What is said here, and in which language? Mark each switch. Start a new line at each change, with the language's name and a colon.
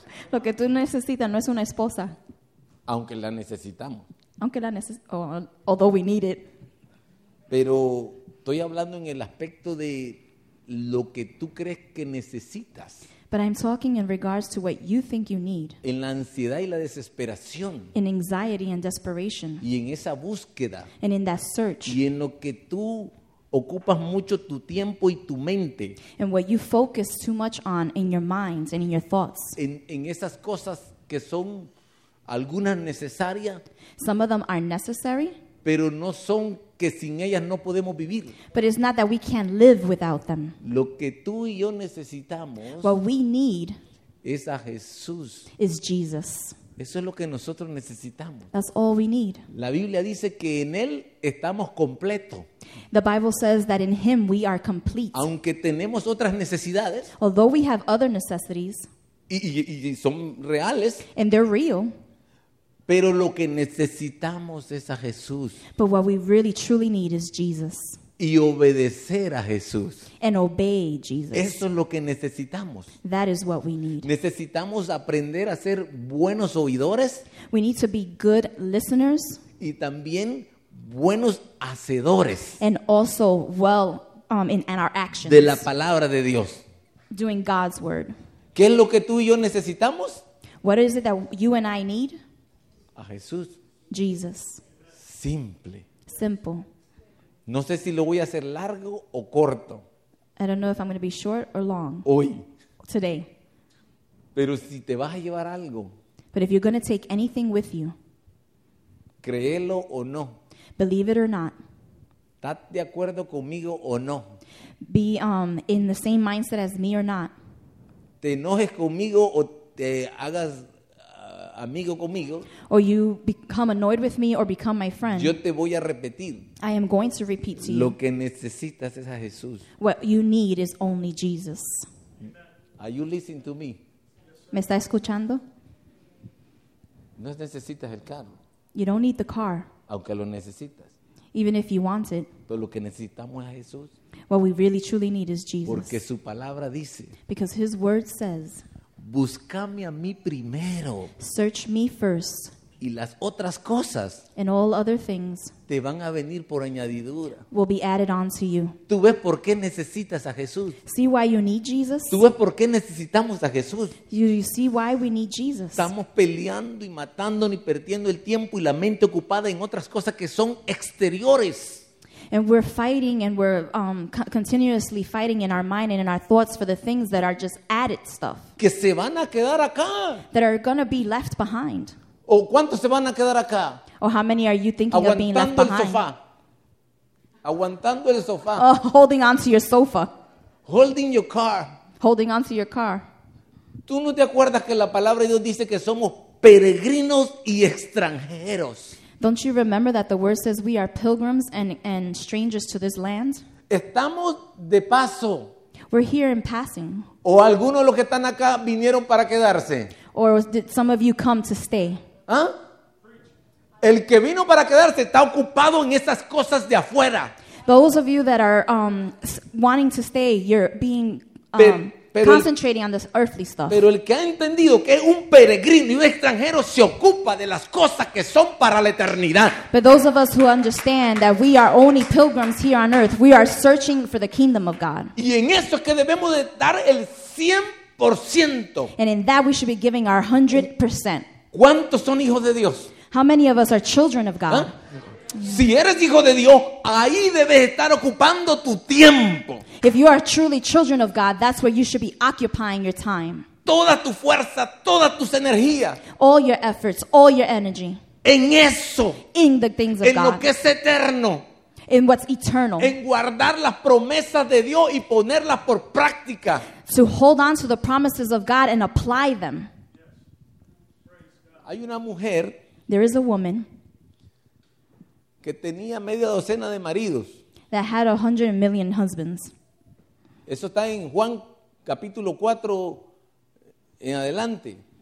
Spanish: Lo que tú necesitas no es una esposa. Aunque la necesitamos. Aunque la necesitamos.
English: Although we need it.
Spanish: Pero estoy hablando en el aspecto de lo que tú crees que necesitas.
English: But I'm talking in regards to what you think you need.
Spanish: En la ansiedad y la desesperación.
English: In anxiety and desperation.
Spanish: Y en esa búsqueda.
English: And in that search.
Spanish: Y en lo que tú ocupas mucho tu tiempo y tu mente.
English: And what you focus too much on in your mind and in your thoughts.
Spanish: En esas cosas que son algunas necesarias.
English: Some of them are necessary.
Spanish: Pero no son que sin ellas no podemos vivir.
English: But it's not that we can't live without them.
Spanish: Lo que tú y yo necesitamos,
English: what we need,
Spanish: es a Jesús.
English: Is Jesus.
Spanish: Eso es lo que nosotros necesitamos.
English: That's all we need.
Spanish: La Biblia dice que en él estamos completo.
English: The Bible says that in him we are complete.
Spanish: Aunque tenemos otras necesidades,
English: although we have other necessities,
Spanish: y son reales,
English: and they're real,
Spanish: pero lo que necesitamos es a Jesús.
English: But what we really truly need is Jesus.
Spanish: Y obedecer a Jesús.
English: And obey Jesus.
Spanish: Eso es lo que necesitamos.
English: That is what we need.
Spanish: Necesitamos aprender a ser buenos oidores.
English: We need to be good listeners.
Spanish: Y también buenos hacedores.
English: And also well in our actions.
Spanish: De la palabra de Dios.
English: Doing God's word.
Spanish: ¿Qué es lo que tú y yo necesitamos?
English: What is it that you and I need?
Spanish: A Jesús.
English: Jesus.
Spanish: Simple.
English: Simple.
Spanish: No sé si lo voy a hacer largo o corto.
English: I don't know if I'm going to be short or long.
Spanish: Hoy.
English: Today.
Spanish: Pero si te vas a llevar algo.
English: But if you're going to take anything with you.
Spanish: Créelo o no.
English: Believe it or not.
Spanish: ¿Estás de acuerdo conmigo o no?
English: Be in the same mindset as me or not.
Spanish: ¿Te enojes conmigo o te hagas amigo conmigo?
English: Or you become annoyed with me or become my friend.
Spanish: Yo te voy a repetir.
English: I am going to repeat to you.
Spanish: Lo que necesitas es a Jesús.
English: What you need is only Jesus. Are you listening to me?
Spanish: ¿Me está escuchando? No necesitas el carro.
English: You don't need the car.
Spanish: Aunque lo necesitas.
English: Even if you want it.
Spanish: Pero lo que necesitamos es a Jesús.
English: What we really truly need is Jesus.
Spanish: Porque su palabra dice.
English: Because his word says.
Spanish: Búscame a mí primero.
English: Search me first.
Spanish: Y las otras cosas.
English: And all other things.
Spanish: Te van a venir por añadidura.
English: Will be added on to you.
Spanish: ¿Tú ves por qué necesitas a Jesús?
English: See why you need Jesus?
Spanish: ¿Tú ves por qué necesitamos a Jesús?
English: You see why we need Jesus?
Spanish: Estamos peleando y matando y perdiendo el tiempo y la mente ocupada en otras cosas que son exteriores.
English: And we're fighting and we're continuously fighting in our mind and in our thoughts for the things that are just added stuff.
Spanish: Que se van a quedar acá.
English: That are going to be left behind.
Spanish: ¿O cuántos se van a quedar acá?
English: Or how many are you thinking
Spanish: aguantando
English: of being left behind?
Spanish: El sofá. Aguantando el sofá.
English: Holding on to your sofa. Holding your car. Holding on to your car.
Spanish: ¿Tú no te acuerdas que la palabra de Dios dice que somos peregrinos y extranjeros?
English: Don't you remember that the word says we are pilgrims and strangers to this land?
Spanish: Estamos de paso.
English: We're here in passing.
Spanish: ¿O algunos de los que están acá vinieron para quedarse?
English: Or did some of you come to stay?
Spanish: ¿Ah? El que vino para quedarse está ocupado en esas cosas de afuera.
English: Those of you that are wanting to stay, you're being
Spanish: pero
English: concentrating on this earthly stuff.
Spanish: Pero el que ha entendido que un peregrino y un extranjero se ocupa de las cosas que son para la eternidad.
English: But those of us who understand that we are only pilgrims here on earth, we are searching for the kingdom of God.
Spanish: Y en eso es que debemos de dar el 100%.
English: And in that we should be giving our 100%.
Spanish: ¿Cuántos son hijos de Dios?
English: How many of us are children of God?
Spanish: Si eres hijo de Dios, ahí debes estar ocupando tu tiempo.
English: If you are truly children of God, that's where you should be occupying your time.
Spanish: Toda tu fuerza, todas tus energías.
English: All your efforts, all your energy.
Spanish: En eso.
English: In the things of
Spanish: en
English: God.
Spanish: En lo que es eterno.
English: In what's eternal.
Spanish: En guardar las promesas de Dios y ponerlas por práctica.
English: To hold on to the promises of God and apply them.
Spanish: Hay una mujer.
English: There is a woman.
Spanish: Que tenía media docena de maridos.
English: That had 100 million husbands.
Spanish: Eso está en Juan capítulo 4 en adelante.